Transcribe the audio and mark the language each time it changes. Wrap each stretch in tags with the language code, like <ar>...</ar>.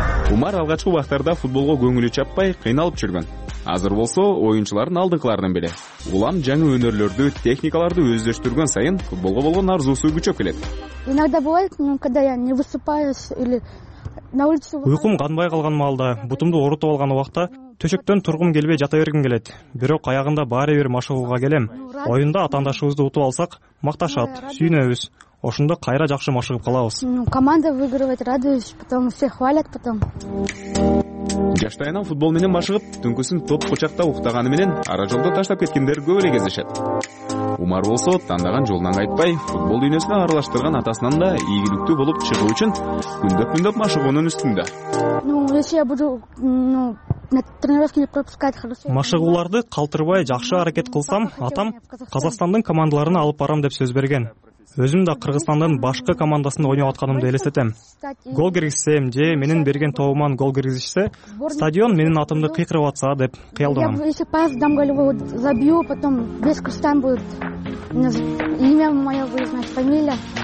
<ky>Умар алгачкы убактарда футболго көңүлү чаппай кыйналып жүргөн. Азыр болсо оюнчулардын алдыңкыларынын бири. Улам жаңы өнөрлөрдү, техникаларды өздөштүргөн сайын футболго болгон арзуусу күчөп келет.</ky> <ru>Иногда бывает, когда я не высыпаюсь или на улице.</ru> <ky>Уйкум канбай калган маалда, бутумду оорутуп алган убакта төшөктөн тургум келбей жата бергим келет. Бирок аягында баары бир машыгууга келем. Оюнда атаандашыбызды утуп алсак, макташат, сүйүнөбүз. Ошондо кайра жакшы машыгып калабыз.</ky> <ru>Команда выигрывает, радуюсь, потом все хвалят потом.</ru> <ky>Жаштайынан футбол менен машыгып, түнкүсүн топ кучакта уктаганы менен ара жолдо таштап кеткендер көп эле кездешет. Умар болсо тандаган жолунан кайтпай, футбол дүйнөсүнө аралаштырган атасынан да ийгиликтүү болуп чыгуу үчүн күндөп-күндөп машыгуунун үстүндө.</ky> <ru>Если я буду на тренировке не пропускать хорошо.</ru> <ky>Машыгуларды калтырбай жакшы аракет кылсам, атам Казакстандын командаларын алып барам деп сөз берген. Өзүм да Кыргызстандын башкы командасында ойноп атканымды элестетем. Гол киргизсем же менин берген тобуман гол киргизишсе, стадион менин атымды кыйкырып атса деп кыялдым.</ky> <ru>Я еще пас дам голевой забью, потом весь Кыргызстан будет. Имя мое вы знаете, фамилия.</ru>